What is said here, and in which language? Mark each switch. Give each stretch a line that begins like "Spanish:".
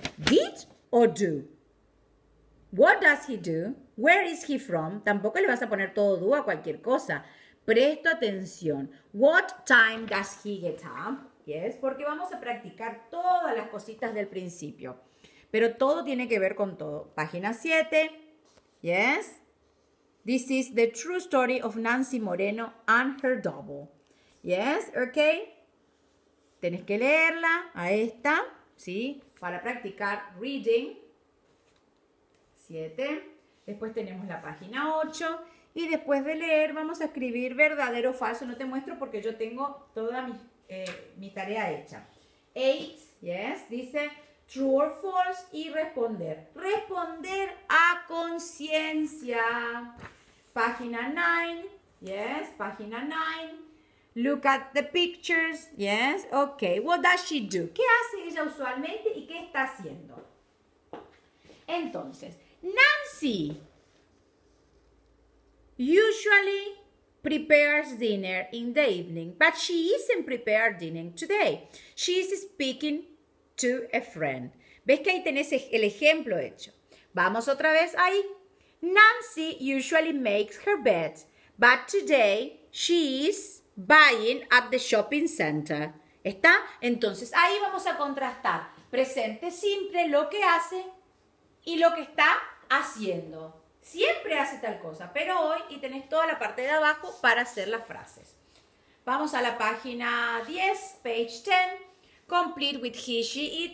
English: ¿Did o do? What does he do? Where is he from?
Spanish: Tampoco le vas a poner todo do a cualquier cosa. Presto atención.
English: What time does he get up?
Spanish: Yes, porque vamos a practicar todas las cositas del principio. Pero todo tiene que ver con todo. Página 7. Yes.
English: This is the true story of Nancy Moreno and her double.
Spanish: Yes, okay. Tenés que leerla a esta, ¿sí? Para practicar reading. 7. Después tenemos la página 8. Y después de leer, vamos a escribir verdadero o falso. No te muestro porque yo tengo toda mi tarea hecha.
English: 8. Yes,
Spanish: dice
English: true or false
Spanish: y responder. Responder a conciencia. Página 9,
English: yes,
Spanish: página 9,
English: look at the pictures, yes, okay, what does she do?
Spanish: ¿Qué hace ella usualmente y qué está haciendo? Entonces,
English: Nancy usually prepares dinner in the evening, but she isn't preparing dinner today. She is speaking to a friend.
Spanish: ¿Ves que ahí tenés el ejemplo hecho? Vamos otra vez ahí.
English: Nancy usually makes her bed, but today she is buying at the shopping center.
Spanish: ¿Está? Entonces, ahí vamos a contrastar. Presente simple, lo que hace, y lo que está haciendo. Siempre hace tal cosa, pero hoy, y tenés toda la parte de abajo para hacer las frases. Vamos a la página 10,
English: page 10, complete with he, she, it.